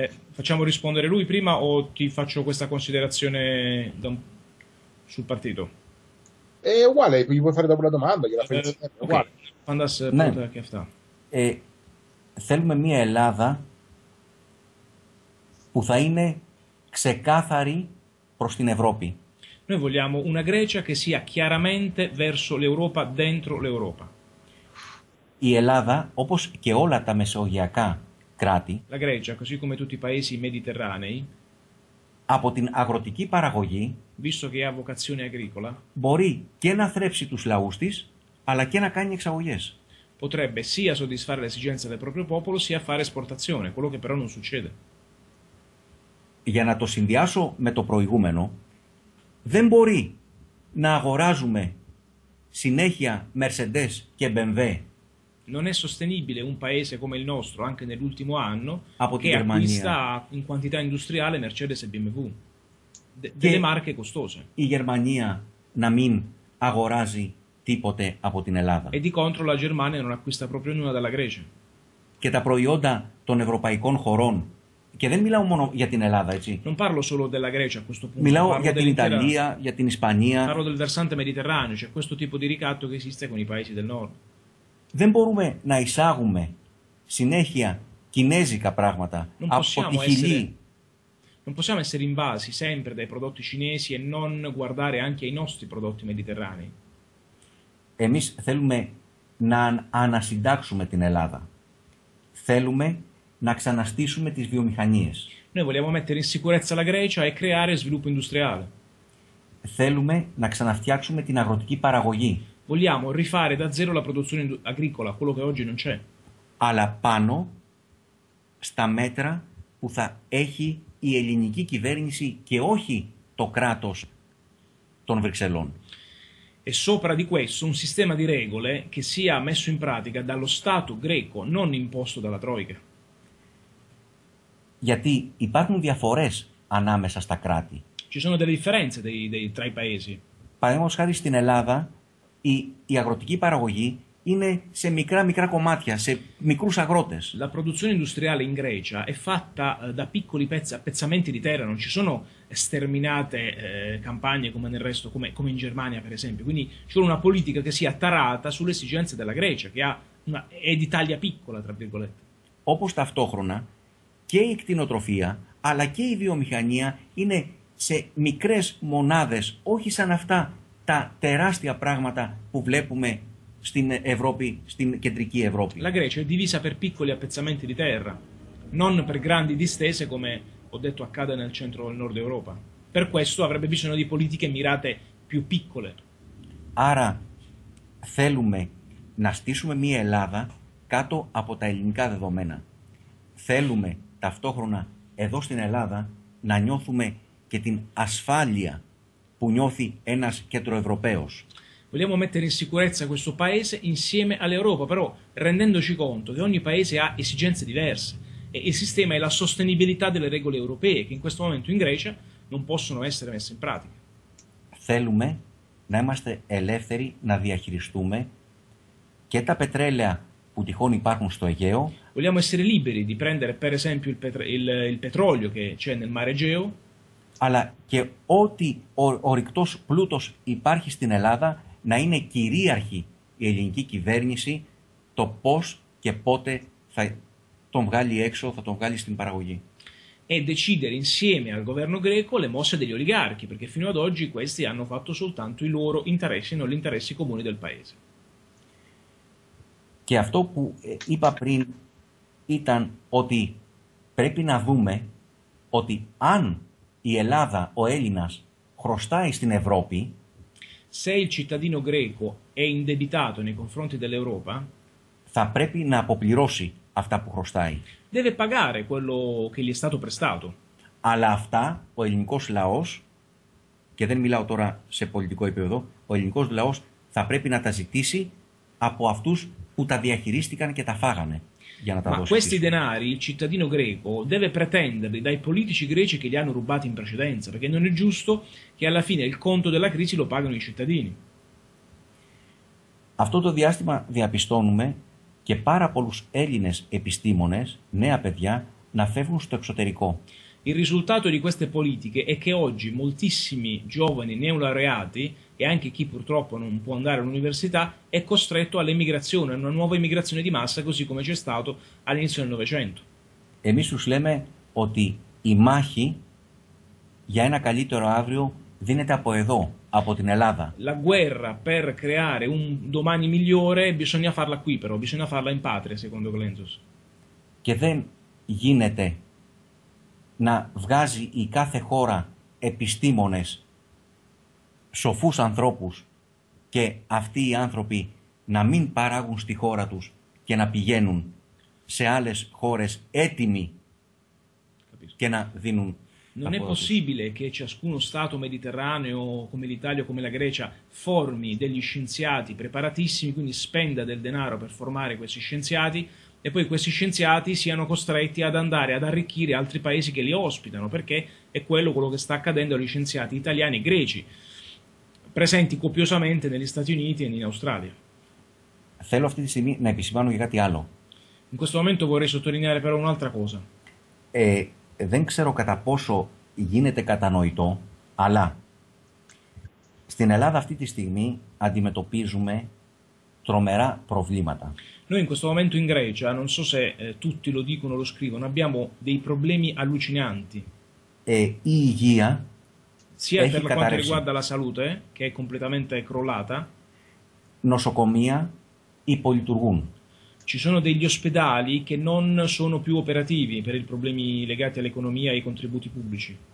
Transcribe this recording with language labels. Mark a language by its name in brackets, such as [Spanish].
[Italian] Facciamo rispondere lui prima o ti faccio questa considerazione sul partito? È uguale, gli puoi fare dopo la domanda, gliela fai uguale. Fandas, pronta che afta. [Greek] Θέλουμε μια Ελλάδα που θα είναι ξεκάθαρη προς την Ευρώπη. [Italian] Noi vogliamo una Grecia che sia chiaramente verso l'Europa, dentro l'Europa. [Greek] Η Ελλάδα, όπως και όλα τα μεσογειακά κράτη, [Italian] la Grecia, così come tutti i paesi mediterranei, [Greek] από την αγροτική παραγωγή, [Italian] visto che ha vocazione agricola, [Greek] μπορεί και να θρέψει τους λαούς της, αλλά και να κάνει εξαγωγές. [Italian] Potrebbe sia soddisfare le esigenze del proprio popolo, sia fare esportazione, quello che però non succede. [Greek] Για να το συνδυάσω με το προηγούμενο, δεν μπορεί να αγοράζουμε συνέχεια Mercedes και BMW. [Italian] Non è sostenibile un paese come il nostro, anche nell'ultimo anno, [Greek] από [Italian] che acquista in quantità industriale Mercedes e BMW, delle marche costose. [Greek] Η Γερμανία να μην αγοράζει τίποτε από την Ελλάδα. [Italian] E di contro la Germania non acquista proprio nulla dalla Grecia. [Greek] Και τα προϊόντα των ευρωπαϊκών χωρών. Και δεν μιλάω μόνο για την Ελλάδα, έτσι. [Italian] Non parlo solo della Grecia a questo punto. [Greek] Μιλάω για την Ιταλία, για την Ισπανία. [Italian] Parlo del versante mediterraneo, cioè questo tipo di ricatto che esiste con i paesi del nord. [Greek] Δεν μπορούμε να εισάγουμε συνέχεια κινέζικα πράγματα από τη Χιλή. [Italian] Non possiamo essere invasi sempre dai prodotti cinesi e non guardare anche ai nostri prodotti mediterranei. [Greek] Εμείς θέλουμε να ανασυντάξουμε την Ελλάδα. Θέλουμε να ξαναστήσουμε τις βιομηχανίες. [Italian] Noi vogliamo mettere in sicurezza la Grecia e creare sviluppo industriale. [Greek] Θέλουμε να ξαναφτιάξουμε την αγροτική παραγωγή. [Italian] Vogliamo rifare da zero la produzione agricola, quello che oggi non c'è. [Greek] Αλλά πάνω στα μέτρα που θα έχει η ελληνική κυβέρνηση και όχι το κράτος των Βρυξελών. [Italian] E sopra di questo un sistema di regole che sia messo in pratica dallo Stato greco, non imposto dalla Troika. [Greek] Γιατί υπάρχουν διαφορές ανάμεσα στα κράτη. [Italian] Ci sono delle differenze tra i paesi. [Greek] Παραδείγματος χάρη στην Ελλάδα, η αγροτική παραγωγή είναι σε μικρά-μικρά κομμάτια, σε μικρούς αγρότες. [Italian] La produzione industriale in Grecia è fatta da piccoli pezzamenti di terra, non ci sono sterminate campagne come nel resto, come in Germania per esempio. Quindi ci vuole una politica che sia tarata sulle esigenze della Grecia, che è di taglia piccola, tra virgolette. [Greek] Όπως ταυτόχρονα και η κτηνοτροφία, αλλά και η βιομηχανία είναι σε μικρές μονάδες, όχι σαν αυτά τα τεράστια πράγματα που βλέπουμε στην Ευρώπη, στην κεντρική Ευρώπη. [Italian] La Grecia è divisa per piccoli appezzamenti di terra, non per grandi distese come ho detto accade nel centro del nord Europa. Per questo avrebbe bisogno di politiche mirate più piccole. [Greek] Άρα θέλουμε να στήσουμε μια Ελλάδα κάτω από τα ελληνικά δεδομένα. Θέλουμε ταυτόχρονα εδώ στην Ελλάδα να νιώθουμε και την ασφάλεια που νιώθει ένας κεντροευρωπαίος. [Italian] Vogliamo mettere in sicurezza questo paese insieme all'Europa, però rendendoci conto che ogni paese ha esigenze diverse e il sistema è la sostenibilità delle regole europee che in questo momento in Grecia non possono essere messe in pratica. [Greek] Θέλουμε να είμαστε ελεύθεροι να διαχειριστούμε και τα πετρέλαια που τυχόν υπάρχουν στο Αιγαίο. [Italian] Vogliamo essere liberi di prendere per esempio il petrolio che c'è nel mare Egeo, [Greek] αλλά και ό,τι ορυκτός πλούτος υπάρχει στην Ελλάδα, να είναι κυρίαρχη η ελληνική κυβέρνηση το πώς και πότε θα τον βγάλει έξω, θα τον βγάλει στην παραγωγή. [Italian] e decidere insieme al governo greco le mosse degli oligarchi, perché fino ad oggi questi hanno fatto soltanto i loro interessi, non gli interessi comuni del paese. [Greek] Και αυτό που είπα πριν ήταν ότι πρέπει να δούμε ότι αν η Ελλάδα, ο Έλληνας, χρωστάει στην Ευρώπη, [Italian] se il cittadino greco è indebitato nei confronti dell'Europa, [Greek] θα πρέπει να αποπληρώσει αυτά που χρωστάει. [Italian] Deve pagare quello che gli è stato prestato. [Greek] Αλλά αυτά ο ελληνικός λαός, και δεν μιλάω τώρα σε πολιτικό επίπεδο, ο ελληνικός λαός θα πρέπει να τα ζητήσει από αυτούς που τα διαχειρίστηκαν και τα φάγανε για να τα δώσουν. [Italian] Ma questi denari il cittadino greco deve pretenderli dai politici greci che li hanno rubati in precedenza, perché non è giusto che alla fine il conto della crisi lo pagano i cittadini. [Greek] Αυτό το διάστημα διαπιστώνουμε και πάρα πολλούς Έλληνες επιστήμονες, νέα παιδιά, να φεύγουν στο εξωτερικό. [Italian] Il risultato di queste politiche è che oggi moltissimi giovani neolaureati e anche chi purtroppo non può andare all'università è costretto all'emigrazione, a una nuova emigrazione di massa, così come c'è stato all'inizio del Novecento. [Greek] Εμείς τους λέμε ότι η μάχη για ένα καλύτερο αύριο δίνεται από εδώ, από την Ελλάδα. [Italian] La guerra per creare un domani migliore bisogna farla qui, però bisogna farla in patria, secondo Glentzos. [Greek] Και δεν γίνεται να βγάζει η κάθε χώρα επιστήμονες, σοφούς ανθρώπους, και αυτοί οι άνθρωποι να μην παράγουν στη χώρα τους και να πηγαίνουν σε άλλες χώρες έτοιμοι και να δίνουν. [Italian] Non è possibile che ciascuno Stato mediterraneo, come l'Italia o come la Grecia, formi degli scienziati preparatissimi, quindi spenda del denaro per formare questi scienziati, e poi questi scienziati siano costretti ad andare ad arricchire altri paesi che li ospitano, perché è quello che sta accadendo agli scienziati italiani e greci, presenti copiosamente negli Stati Uniti e in Australia. [Greek] Θέλω αυτή τη στιγμή να επισημάνω για κάτι άλλο. [Italian] In questo momento vorrei sottolineare però un'altra cosa. [Greek] Δεν ξέρω κατά πόσο γίνεται κατανοητό, αλλά στην Ελλάδα αυτή τη στιγμή αντιμετωπίζουμε τρομερά προβλήματα. [Italian] Noi in questo momento in Grecia, non so se tutti lo dicono o lo scrivono, abbiamo dei problemi allucinanti. [Greek] Η υγεία [Italian] sia [Greek] έχει [Italian] per [Greek] καταρρεύσει. [Italian] Quanto riguarda la salute, che è completamente crollata. [Greek] Νοσοκομεία υπολειτουργούν. [Italian] Ci sono degli ospedali che non sono più operativi per i problemi legati all'economia e ai contributi pubblici.